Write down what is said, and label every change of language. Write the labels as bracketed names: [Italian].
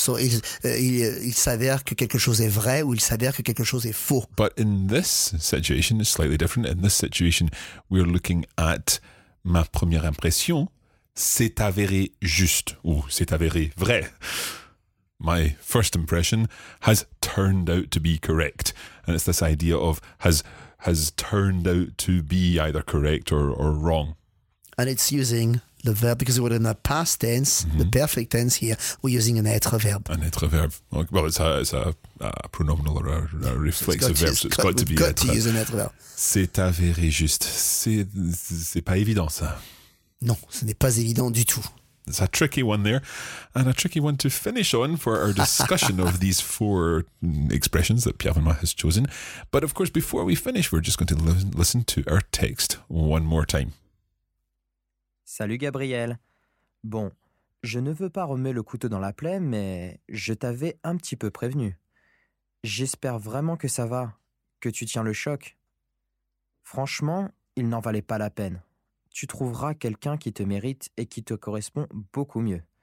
[French] So il s'avère que quelque chose est vrai ou il s'avère que quelque chose est faux. [English] But in this situation, it's slightly different. In this situation, we're looking at [French] ma première impression s'est avéré juste ou s'est avéré vrai. [English] My first impression has turned out to be correct. And it's this idea of has turned out to be either correct or wrong. And it's using the verb, because we're in the past tense, mm-hmm. the perfect tense here, we're using an être verb. An être verb. Well, it's a pronominal or a reflexive verb, so it's got to be être. We've got to use an être verb. [French] C'est avéré juste. C'est pas évident, ça. Non, ce n'est pas évident du tout. [English] It's a tricky one there, and a tricky one to finish on for our discussion of these four expressions that Pierre Vanois has chosen. But of course, before we finish, we're just going to listen to our text one more time. [French] Salut Gabriel. Bon, je ne veux pas remettre le couteau dans la plaie, mais je t'avais un petit peu prévenu. J'espère vraiment que ça va, que tu tiens le choc. Franchement, il n'en valait pas la peine. Tu trouveras quelqu'un qui te mérite et qui te correspond beaucoup mieux.